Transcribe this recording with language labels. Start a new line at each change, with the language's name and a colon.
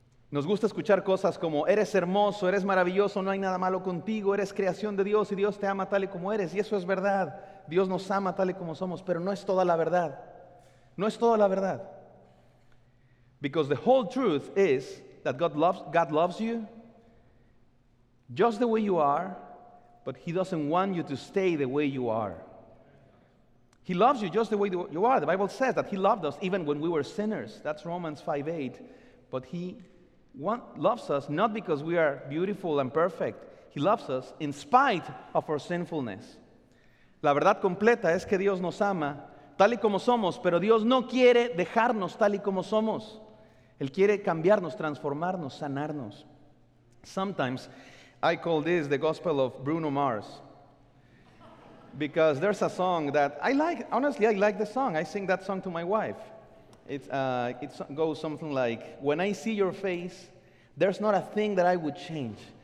Spanish: Nos gusta escuchar cosas como, eres hermoso, eres maravilloso, no hay nada malo contigo, eres creación de Dios y Dios te ama tal y como eres. Y eso es verdad. Dios nos ama tal y como somos, pero no es toda la verdad. No es toda la verdad.
English: Because the whole truth is that God loves you just the way you are, but He doesn't want you to stay the way you are. He loves you just the way you are. The Bible says that He loved us even when we were sinners. That's Romans 5:8. But He loves us not because we are beautiful and perfect. He loves us in spite of our sinfulness.
Spanish: La verdad completa es que Dios nos ama tal y como somos, pero Dios no quiere dejarnos tal y como somos. Él quiere cambiarnos, transformarnos, sanarnos.
English: Sometimes I call this the gospel of Bruno Mars. Because there's a song that I like, honestly, I like the song. I sing that song to my wife. It goes something like, when I see your face, there's not a thing that I would change.